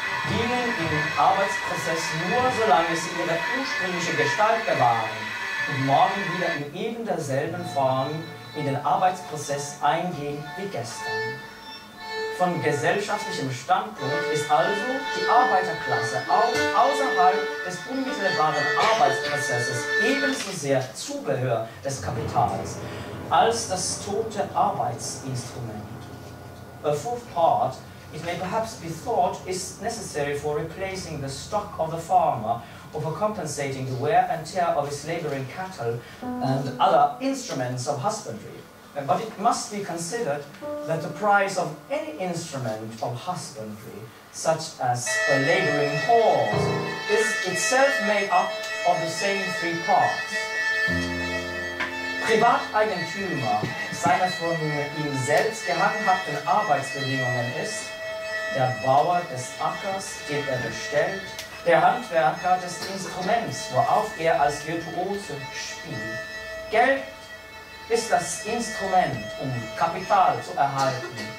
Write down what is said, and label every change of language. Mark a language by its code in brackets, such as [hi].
[de] dienen ihrem Arbeitsprozess nur, solange sie ihre ursprüngliche Gestalt bewahren und morgen wieder in eben derselben Form in den Arbeitsprozess eingehen wie gestern. Von gesellschaftlichem Standpunkt ist also die Arbeiterklasse auch außerhalb des unmittelbaren Arbeitsprozesses ebenso sehr Zubehör des Kapitals als das tote Arbeitsinstrument. [en] A fourth part, it may perhaps be thought, is necessary for replacing the stock of the farmer or for compensating the wear and tear of his laboring cattle and other instruments of husbandry. But it must be considered that the price of any instrument of husbandry, such as a laboring horse, is itself made up of the same three parts. [de] Privateigentümer seiner von ihm selbst gehandhabten Arbeitsbedingungen ist der Bauer des Ackers, den er bestellt, der Handwerker des Instruments, worauf er als Virtuose spielt. Geld ist das Instrument, um Kapital zu erhalten.